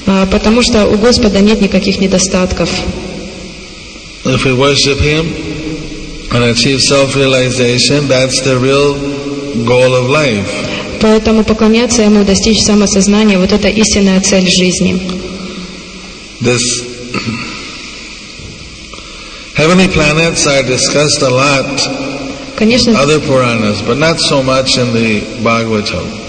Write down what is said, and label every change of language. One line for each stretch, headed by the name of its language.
Russian: Потому что у Господа нет никаких недостатков.
English: If we worship Him and achieve self-realization, that's the real goal of life.
Russian: Поэтому поклоняться Ему, достичь самосознания, вот это истинная цель жизни.
English: This heavenly planets are discussed a lot in other Puranas, but not so much in the Bhagavatam.